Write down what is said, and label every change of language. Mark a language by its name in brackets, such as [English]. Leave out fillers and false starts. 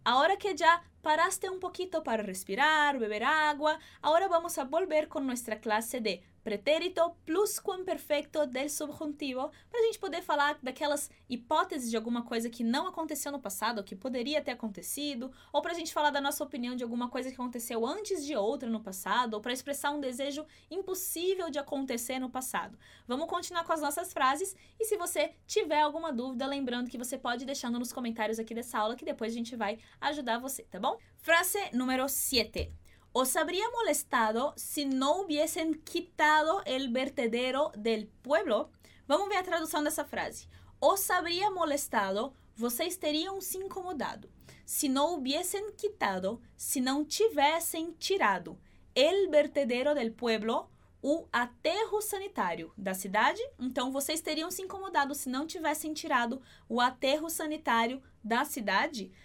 [Spanish] Ahora que ya paraste un poquito para respirar, beber agua, ahora vamos a volver con nuestra clase de pretérito pluscuamperfecto del subjuntivo [Portuguese] para a gente poder falar daquelas hipóteses de alguma coisa que não aconteceu no passado, que poderia ter acontecido, ou para a gente falar da nossa opinião de alguma coisa que aconteceu antes de outra no passado, ou para expressar um desejo impossível de acontecer no passado. Vamos continuar com as nossas frases e se você tiver alguma dúvida, lembrando que você pode ir deixando nos comentários aqui dessa aula que depois a gente vai ajudar você, tá bom? Frase número 7. [Spanish] Os habría molestado si no hubiesen quitado el vertedero del pueblo. [Portuguese] Vamos ver a tradução dessa frase. [Spanish] Os habría molestado, [Portuguese] vocês teriam se incomodado. [Spanish] Si no hubiesen quitado, [Portuguese] se não tivessem tirado. [Spanish] El vertedero del pueblo, [Portuguese] o aterro sanitário da cidade. Então, vocês teriam se incomodado se não tivessem tirado o aterro sanitário da cidade.